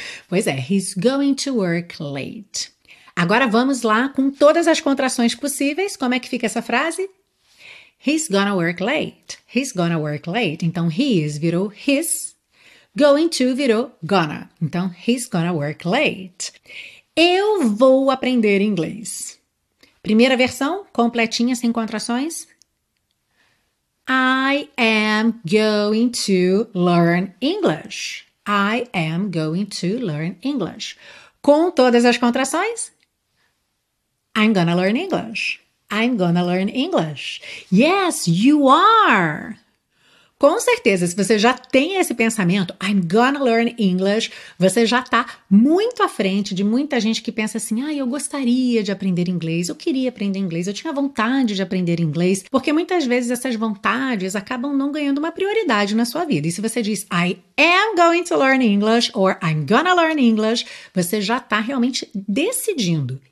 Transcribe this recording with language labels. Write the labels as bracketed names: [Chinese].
[Portuguese] Pois é, [English] he's going to work late. [Portuguese] Agora vamos lá com todas as contrações possíveis. Como é que fica essa frase? [English] He's gonna work late. He's gonna work late. [Portuguese] Então, [English] he is [Portuguese] virou [English] his. Going to [Portuguese] virou [English] gonna. [Portuguese] Então, [English] he's gonna work late. [Portuguese] Eu vou aprender inglês. Primeira versão, completinha, sem contrações. [English] I am going to learn English. I am going to learn English. [Portuguese] Com todas as contrações. [English] I'm gonna learn English. I'm gonna learn English. Yes, you are. [Portuguese] Com certeza, se você já tem esse pensamento, [English] I'm gonna learn English, [Portuguese] você já está muito à frente de muita gente que pensa assim: ah, eu gostaria de aprender inglês, eu queria aprender inglês, eu tinha vontade de aprender inglês, porque muitas vezes essas vontades acabam não ganhando uma prioridade na sua vida. E se você diz [English] I am going to learn English [Portuguese] or I'm gonna learn English, você já está realmente decidindo.